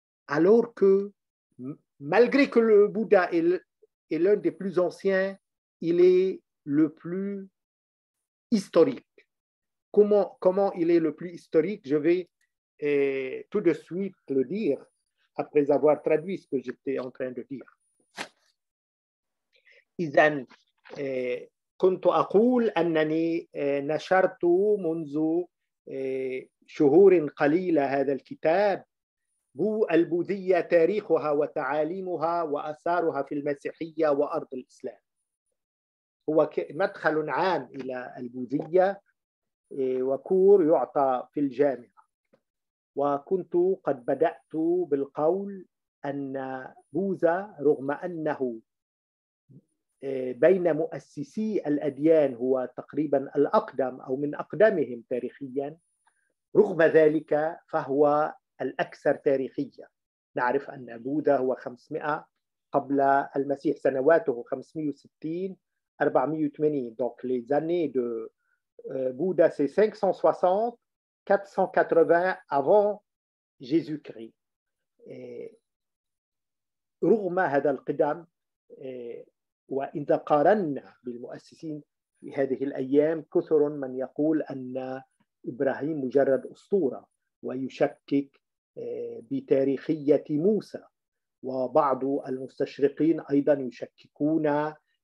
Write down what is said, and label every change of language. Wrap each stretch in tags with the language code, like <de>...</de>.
<fr>Alors que, malgré que le Bouddha est l'un des plus anciens, il est le plus historique. Comment il est le plus historique? Je vais tout de suite le dire après avoir traduit ce que j'étais en train de dire.</fr> <ar>إذن كنت أقول أنني نشرت منذ شهور قليلة هذا الكتاب البوذية تاريخها وتعاليمها وأثارها في المسيحية وأرض الإسلام. هو مدخل عام إلى البوذية وكور يعطى في الجامعة. وكنت قد بدأت بالقول أن بوذا رغم أنه بين مؤسسي الأديان هو تقريبا الأقدم أو من أقدمهم تاريخيا، رغم ذلك فهو الأكثر تاريخية. نعرف أن بوذا هو 500 قبل المسيح، سنواته 560-480.</ar> <fr>Donc les années de Bouddha c'est 560-480 avant Jésus-Christ.</fr> <ar>رغم هذا القدم وإذا قارنا بالمؤسسين في هذه الأيام كثر من يقول أن إبراهيم مجرد أسطورة ويشكك بتاريخية موسى وبعض المستشرقين أيضا يشككون</ar>